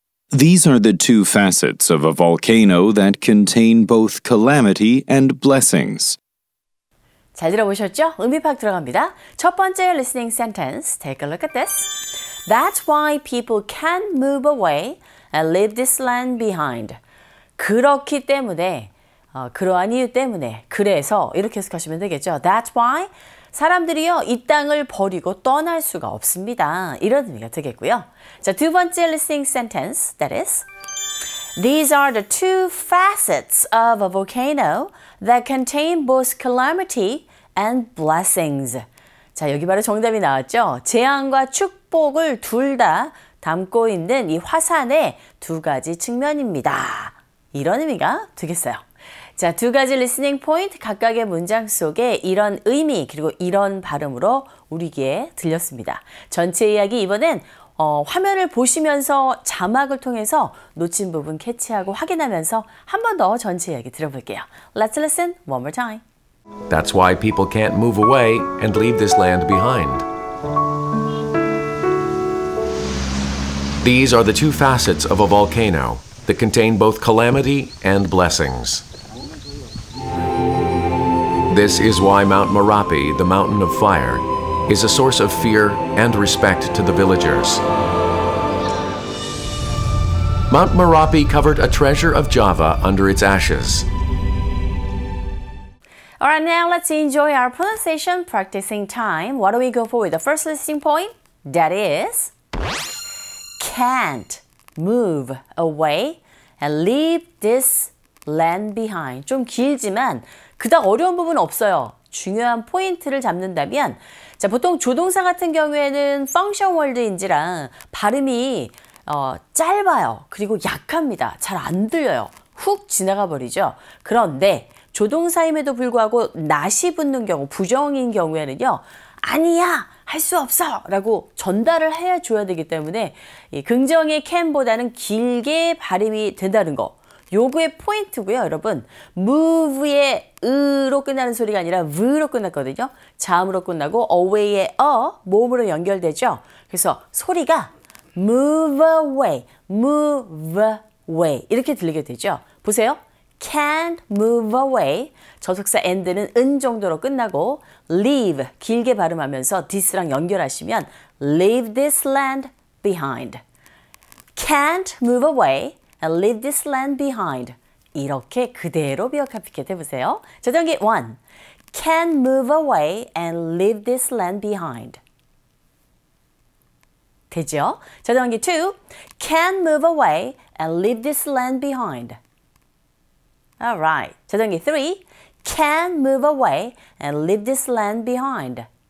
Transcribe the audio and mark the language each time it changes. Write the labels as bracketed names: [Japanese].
[English] These are the two facets of a volcano that contain both calamity and blessings. [Korean] 잘 들어보셨죠? 의미 파악 들어갑니다. 첫 번째 [English] listening sentence, take a look at this. That's why people can move away and leave this land behind. [Korean] 그렇기 때문에 그러한 이유 때문에 그래서 이렇게 해석하시면 되겠죠. [English] That's why [Korean] 사람들이요 이 땅을 버리고 떠날 수가 없습니다. 이런 의미가 되겠고요. 자, 두 번째 [English] listening sentence, that is These are the two facets of a volcano that contain both calamity and blessings. [Korean] 자, 여기 바로 정답이 나왔죠. 재앙과 축복을 둘 다 담고 있는 이 화산의 두 가지 측면입니다. 이런 의미가 되겠어요. 자, 두 가지 리스닝 포인트 각각의 문장 속에 이런 의미 그리고 이런 발음으로 우리 귀에 들렸습니다. 전체 이야기 이번엔 화면을 보시면서 자막을 통해서 놓친 부분 캐치하고 확인하면서 한 번 더 전체 이야기 들어볼게요. [English] Let's listen one more time. That's why people can't move away and leave this land behind. These are the two facets of a volcano that contain both calamity and blessings. This is why Mount Merapi, the mountain of fire, is a source of fear and respect to the villagers. Mount Merapi covered a treasure of Java under its ashes. All right, now let's enjoy our pronunciation practicing time. What do we go for with the first listening point? That is, can't move away and leave this land behind. [Korean] 좀 길지만 그닥 어려운 부분 없어요. 중요한 포인트를 잡는다면 자, 보통 조동사 같은 경우에는 function word인지라 발음이 짧아요. 그리고 약합니다. 잘 안 들려요. 훅 지나가 버리죠. 그런데 조동사임에도 불구하고 not이 붙는 경우, 부정인 경우에는요. 아니야! 할 수 없어! 라고 전달을 해줘야 되기 때문에 이 긍정의 can보다는 길게 발음이 된다는 거. 요거의 포인트고요, 여러분. move의 으로 끝나는 소리가 아니라 v로 끝났거든요. 자음으로 끝나고 away의 모음으로 연결되죠. 그래서 소리가 move away, move away 이렇게 들리게 되죠. 보세요. [English] can't move away. [Korean] 접속사 end는 은 정도로 끝나고 [English] leave [Korean] 길게 발음하면서 [English] this랑 연결하시면 leave this land behind. Can't move away and leave this land behind. [Korean] 이렇게 그대로 비어카피켓 해보세요. 자전기 1. [English] Can't move away and leave this land behind. [Korean] 되죠? 자전기 2. [English] Can't move away and leave this land behind. Alright. [Korean] 자전기 3. [English] Can't move away and leave this land behind.